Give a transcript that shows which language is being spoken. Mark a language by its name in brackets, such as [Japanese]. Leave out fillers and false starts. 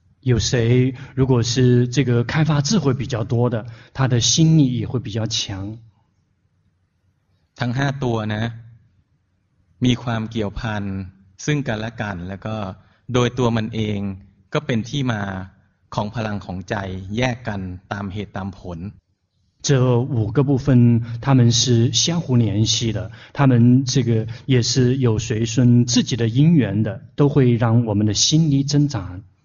[Chinese] 有谁如果是这个开发智慧比较多的他的心力也会比较强 [Thai] ทั้ง5ตัวนะมีความเกี่ยวพันซึ่งกันและกันแล้วก็โดยตัวมันเองก็เป็นที่มาของพลังของใจแยกกันตามเหตุตามผล [Chinese] 这五个部分他们是相互联系的他们这个也是有随顺自己的因缘的都会让我们的心力增长